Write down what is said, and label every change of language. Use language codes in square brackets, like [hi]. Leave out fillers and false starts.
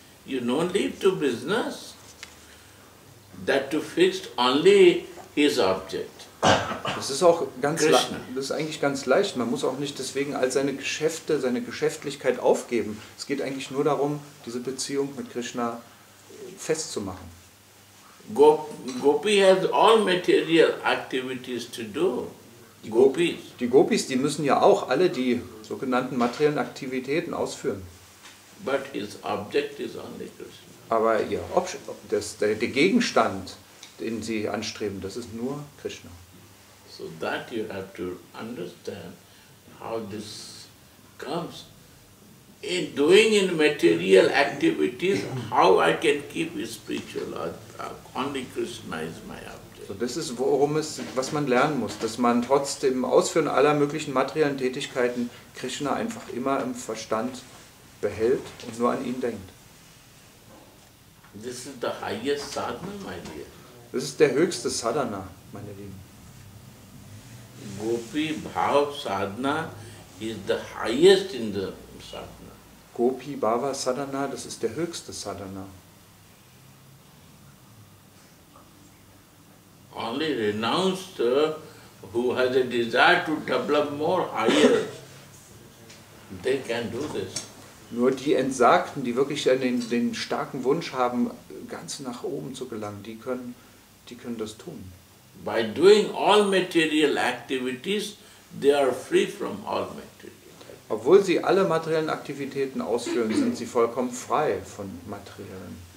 [en] You don't leave to business that to fix only his object. [de] Das ist auch ganz das ist eigentlich ganz leicht. Man muss auch nicht deswegen all seine Geschäfte, seine Geschäftlichkeit aufgeben. Es geht eigentlich nur darum, diese Beziehung mit Krishna festzumachen. [en] Gopi has all material activities to do. [de] Die Gopis, die müssen ja auch alle die sogenannten materiellen Aktivitäten ausführen. [en] But his object is only Krishna. [de] Aber ihr der Gegenstand, den sie anstreben, das ist nur Krishna. [en] So that you have to understand how this comes. In doing in material activities, how I can keep spiritual only Krishna is my object. [de] So das ist, worum es, was man lernen muss, dass man trotzdem Ausführen aller möglichen materiellen Tätigkeiten Krishna einfach immer im Verstand behält und nur an ihn denkt. [en] This is the highest sadhana, my dear. [de] Das ist der höchste Sadhana, meine Lieben. [en] Gopi Bhav Sadhana is the highest in the sadhana. [de] Gopi Bhava Sadhana, das ist der höchste Sadhana. [en] Only renounced who has a desire to develop more higher, they can do this. [de] Nur die Entsagten, die wirklich den starken Wunsch haben, ganz nach oben zu gelangen, die können das tun. [en] By doing all material activities, they are free from all material. [de] Obwohl sie alle materiellen Aktivitäten ausführen, sind sie vollkommen frei von materiellen.